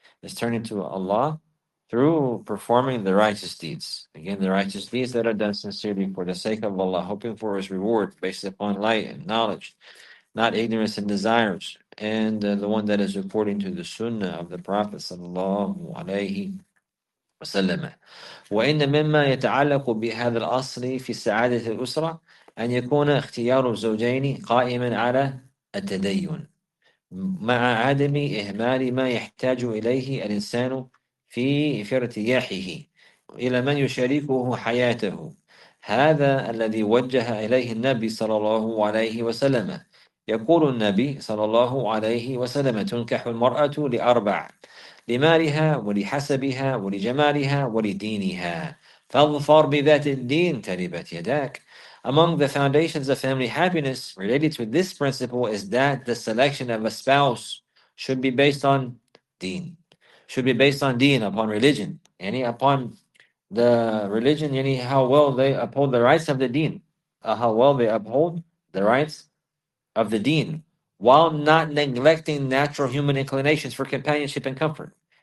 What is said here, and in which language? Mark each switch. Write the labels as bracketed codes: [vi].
[en] It's turning to Allah through performing the righteous deeds. Again, the righteous deeds that are done sincerely for the sake of Allah, hoping for His reward based upon light and knowledge, not ignorance and desires. And the one that is according to the Sunnah of the Prophet sallallahu alaihi [ar] وسلم. وإن مما يتعلق بهذا الأصل في سعادة الأسرة أن يكون اختيار الزوجين قائما على التدين، مع عدم إهمال ما يحتاج إليه الإنسان في ارتياحه إلى من يشاركه حياته، هذا الذي وجه إليه النبي صلى الله عليه وسلم. يقول النبي صلى الله عليه وسلم: تنكح المرأة لأربع، لمالها ولحسبها ولجمالها ولدينها، فاظفر بذات الدين تربت يداك. [en] Among the foundations of family happiness related to this principle is that the selection of a spouse should be based on deen, should be based on deen, upon religion, yani upon the religion, yani how well they uphold the rights of the deen, how well they uphold the rights of the deen, while not neglecting natural human inclinations for companionship and comfort.